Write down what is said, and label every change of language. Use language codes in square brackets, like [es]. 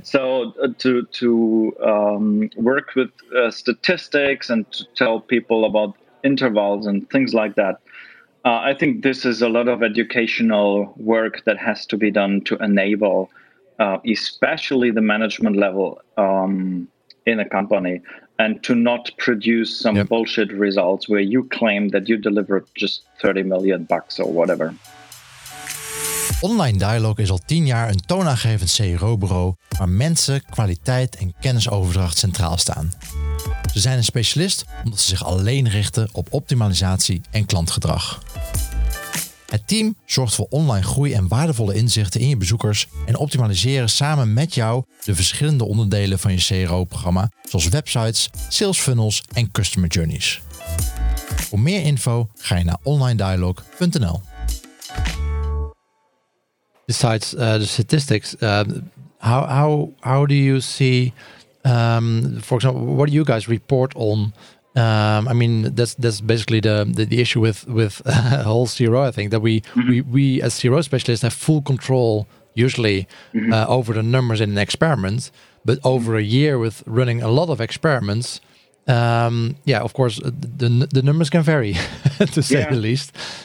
[en] So to work with statistics and to tell people about intervals and things like that, I think this is a lot of educational work that has to be done to enable especially the management level in a company, and to not produce some bullshit results where you claim that you delivered just $30 million or whatever. [nl] Online Dialogue is al 10 jaar een toonaangevend CRO-bureau waar mensen, kwaliteit en kennisoverdracht centraal staan. Ze zijn een specialist omdat ze zich alleen richten op optimalisatie en klantgedrag. Het team zorgt voor online groei en waardevolle inzichten in je bezoekers en optimaliseren samen met jou de verschillende onderdelen van je CRO-programma, zoals websites, sales funnels en customer journeys. Voor meer info ga je naar onlinedialogue.nl. [en] Besides the statistics, how do you see, for example, what do you guys report on? I mean, that's basically the issue with whole CRO. I think that we as CRO specialists have full control usually over the numbers in an experiment, but over a year with running a lot of experiments, of course the numbers can vary. To say the least.